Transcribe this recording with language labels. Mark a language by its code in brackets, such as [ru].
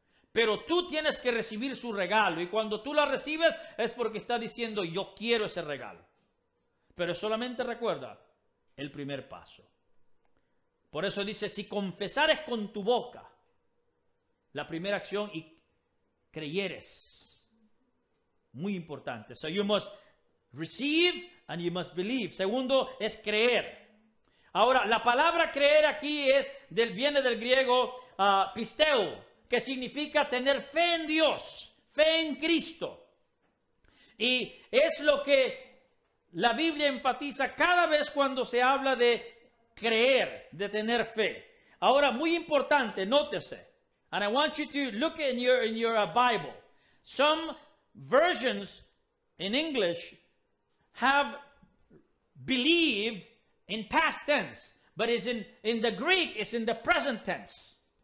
[es] Pero tú tienes que recibir su regalo. Y cuando tú la recibes, es porque está diciendo, yo quiero ese regalo. Pero solamente recuerda el primer paso. Por eso dice, si confesares con tu boca la primera acción y creyeres. Muy importante. [en] So you must receive and you must believe. [es] Segundo es creer. Ahora, la palabra creer aquí es del, viene del griego pisteo, que significa tener fe en Dios, fe en Cristo. Y es lo que la Biblia enfatiza cada vez cuando se habla de creer, de tener fe. Ahora, muy importante, nótese. [en] And I want you to look in your Bible. Some versions in English have believed in past tense, but is in the Greek, it's in the present tense.